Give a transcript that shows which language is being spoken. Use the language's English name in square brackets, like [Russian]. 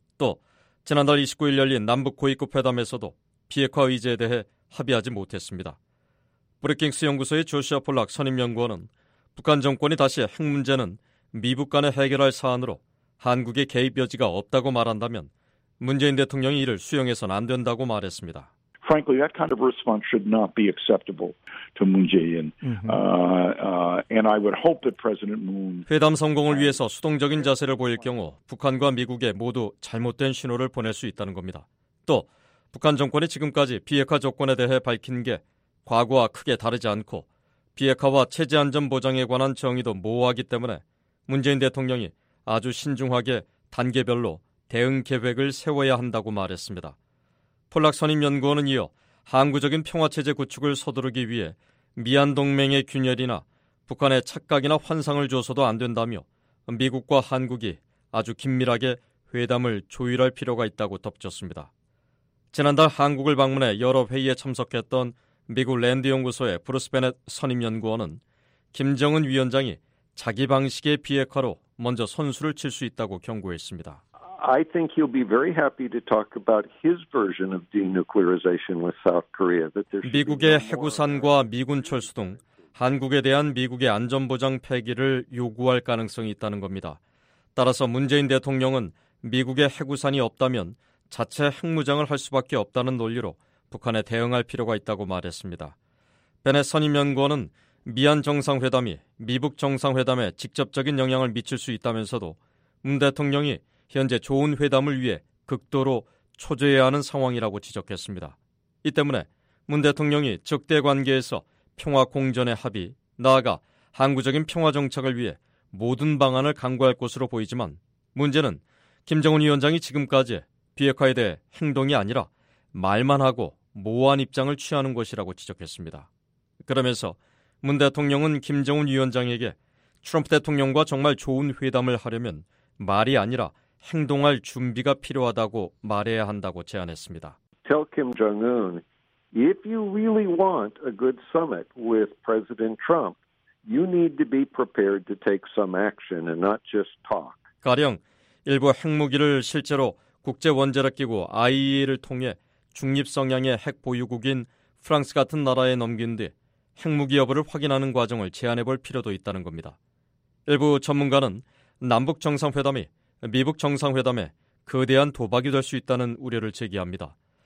[Korean] 또 지난달 29일 열린 남북 고위급 회담에서도 비핵화 의제에 대해 합의하지 못했습니다. 브루킹스 연구소의 조시아 폴락 선임연구원은 북한 정권이 다시 핵 문제는 미북 간에 해결할 사안으로 한국의 개입 여지가 없다고 말한다면 문재인 대통령이 이를 수용해서는 안 된다고 말했습니다. [English] Frankly, that kind of response should not be acceptable to Moon Jae-in. And I would hope that President Moon [Korean] 회담 성공을 위해서 수동적인 자세를 보일 경우 북한과 미국에 모두 잘못된 신호를 보낼 수 있다는 겁니다. 또 북한 정권이 지금까지 비핵화 조건에 대해 밝힌 게 과거와 크게 다르지 않고 비핵화와 체제 안전 보장에 관한 정의도 모호하기 때문에 문재인 대통령이 아주 신중하게 단계별로 대응 계획을 세워야 한다고 말했습니다. 폴락 선임연구원은 이어 항구적인 평화체제 구축을 서두르기 위해 미한 동맹의 균열이나 북한의 착각이나 환상을 줘서도 안 된다며 미국과 한국이 아주 긴밀하게 회담을 조율할 필요가 있다고 덧붙였습니다. 지난달 한국을 방문해 여러 회의에 참석했던 미국 랜드 연구소의 브루스 베넷 선임연구원은 김정은 위원장이 자기 방식의 비핵화로 먼저 선수를 칠 수 있다고 경고했습니다. [English] I think he'll be very happy to talk about his version of denuclearization with South Korea. [Korean] 미국의 핵우산과 미군 철수 등 한국에 대한 미국의 안전보장 폐기를 요구할 가능성이 있다는 겁니다. 따라서 문재인 대통령은 미국의 핵우산이 없다면 자체 핵무장을 할 수밖에 없다는 논리로 북한에 대응할 필요가 있다고 말했습니다. 베넷 선임연구원은 미한 정상회담이 미북 정상회담에 직접적인 영향을 미칠 수 있다면서도 문 대통령이 현재 좋은 회담을 위해 극도로 초조해야 하는 상황이라고 지적했습니다. 이 때문에 문 대통령이 적대 관계에서 평화 공존의 합의, 나아가 항구적인 평화 정착을 위해 모든 방안을 강구할 것으로 보이지만 문제는 김정은 위원장이 지금까지 비핵화에 대해 행동이 아니라 말만 하고 모호한 입장을 취하는 것이라고 지적했습니다. 그러면서 문 대통령은 김정은 위원장에게 트럼프 대통령과 정말 좋은 회담을 하려면 말이 아니라 행동할 준비가 필요하다고 말해야 한다고 제안했습니다. [English] Tell Kim Jong-un, if you really want a good summit with President Trump, you need to be prepared to take some action and not just talk. [Korean] 가령 일부 핵무기를 실제로 국제원자력기구 IAEA를 통해 중립 성향의 핵 보유국인 프랑스 같은 나라에 넘긴 뒤 핵무기 여부를 확인하는 과정을 제안해볼 필요도 있다는 겁니다. 일부 전문가는 남북정상회담이 미북정상회담에 거대한 도박이 될 수 있다는 우려를 제기합니다.